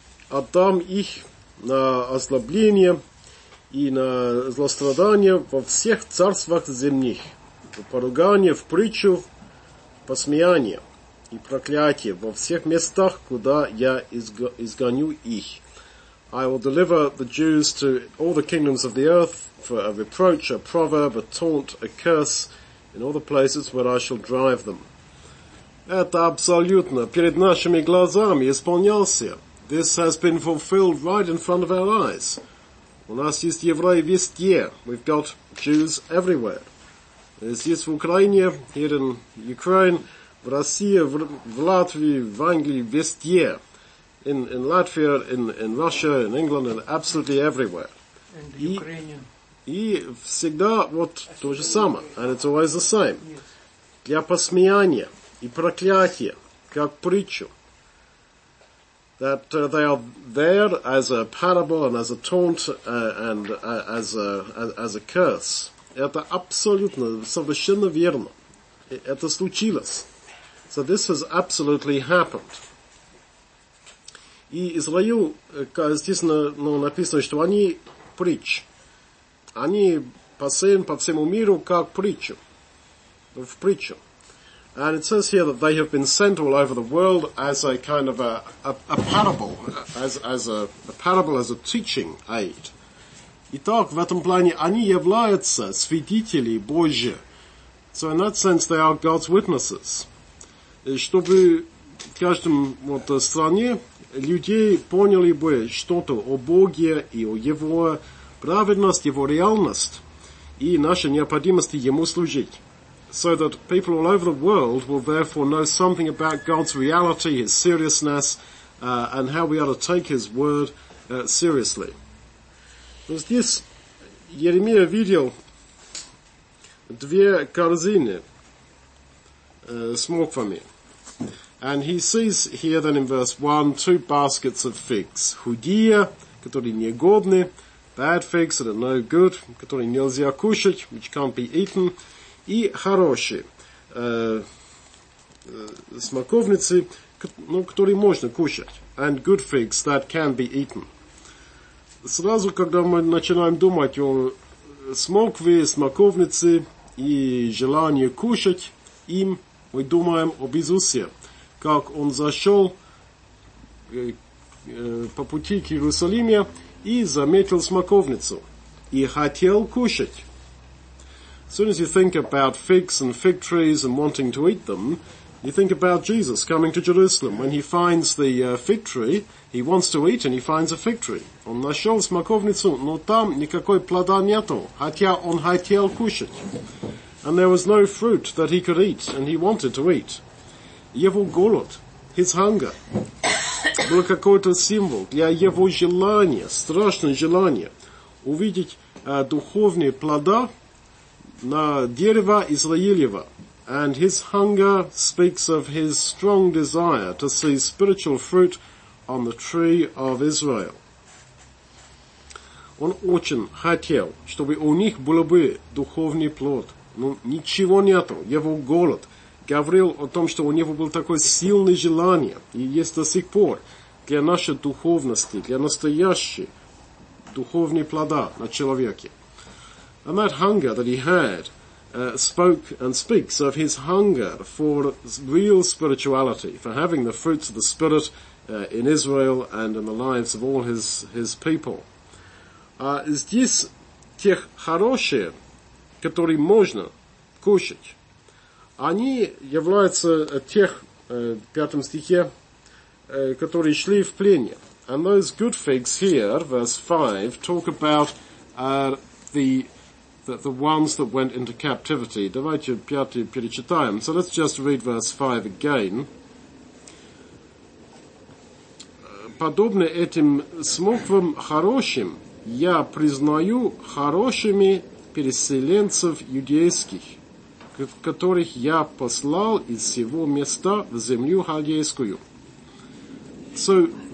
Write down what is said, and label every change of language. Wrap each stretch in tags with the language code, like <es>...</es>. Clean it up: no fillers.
<ru>Отдам их на ослабление и на злострадание во всех царствах земных, в поругание, в притчу, в посмеяние и проклятие во всех местах, куда я изгоню их.</ru> <en>I will deliver the Jews to all the kingdoms of the earth for a reproach, a proverb, a taunt, a curse in all the places where I shall drive them.</en> <ru>Это абсолютно перед нашими глазами исполнялся.</ru> <en>This has been fulfilled right in front of our eyes.</en> <ru>У нас есть евреи везде.</ru> <en>We've got Jews everywhere.</en> <ru>Здесь в Украине,</ru> <en>here in Ukraine,</en> <ru>в России, в Латвии, в Англии, везде.</ru> <en>In Latvia, in Russia, in England, and absolutely everywhere. And Ukrainian.</en> <ru>И всегда вот то же самое.</ru> <en>And it's always the same. Yes.</en> <ru>Для посмеяния и проклятия, как притчу.</ru> <en>That they are there as a parable and as a taunt and as a curse.</en> <ru>Это абсолютно, совершенно верно. Это случилось.</ru> <en>So this has absolutely happened.</en> <ru>И Израил, естественно, ну, написано, что они притч. Они посеян по всему миру как притчу. В притчу.</ru> <en>And it says here that they have been sent all over the world as a kind of a parable, as a parable, as a teaching aid.</en> <ru>Итак, в этом плане они являются свидетели Божьи.</ru> <en>So in that sense they are God's witnesses.</en> <ru>Чтобы в каждом вот, стране людей поняли бы что-то о Боге и о Его праведности, Его реальность и нашей необходимости Ему служить.</ru> <en>So that people all over the world will therefore know something about God's reality, His seriousness, and how we ought to take His word seriously.</en> <ru>Здесь Еремия видел две корзины с морквами.</ru> <en>And he sees here then in verse 1, two baskets of figs.</en> <ru>Худие, которые негодны,</ru> <en>bad figs that are no good,</en> <ru>которые нельзя кушать,</ru> <en>which can't be eaten,</en> <ru>и хорошие, смоковницы, ну, которые можно кушать,</ru> <en>and good figs that can be eaten.</en> <ru>Сразу, когда мы начинаем думать о смокве, смоковнице и желании кушать им, мы думаем об Иисусе. Как он зашел по пути к Иерусалиме и заметил смоковницу и хотел кушать.</ru> <en>As soon as you think about figs and fig trees and wanting to eat them, you think about Jesus coming to Jerusalem. When he finds the fig tree, he wants to eat and he finds a fig tree.</en> <ru>Он нашел смоковницу, но там никакой плода нету, хотя он хотел кушать.</ru> <en>And there was no fruit that he could eat and he wanted to eat.</en> <ru>Его голод,</ru> <en>his hunger,</en> <ru>был какой-то символ для его желания, страшное желание, увидеть духовные плода на дерево Израилево.</ru> <en>And his hunger speaks of his strong desire to see spiritual fruit on the tree of Israel.</en> <ru>Он очень хотел, чтобы у них был бы духовный плод. Но ничего нету, его голод. Говорил о том, что у него было такое сильное желание, и есть до сих пор, для нашей духовности, для настоящей духовной плода на человеке.</ru> <en>And that hunger that he had spoke and speaks of his hunger for real spirituality, for having the fruits of the Spirit in Israel and in the lives of all his people.</en> <ru>Здесь тех хорошие, которые можно кушать, они являются тех, пятом стихе, которые шли в плене.</ru> <en>And those good figs here, verse 5, talk about the ones that went into captivity.</en> <ru>Давайте пятый перечитаем.</ru> <en>So let's just read verse 5 again.</en> <ru>Подобно этим смоквам хорошим, я признаю хорошими переселенцев иудейских, которых я послал из всего места в землю халдейскую. So,</ru>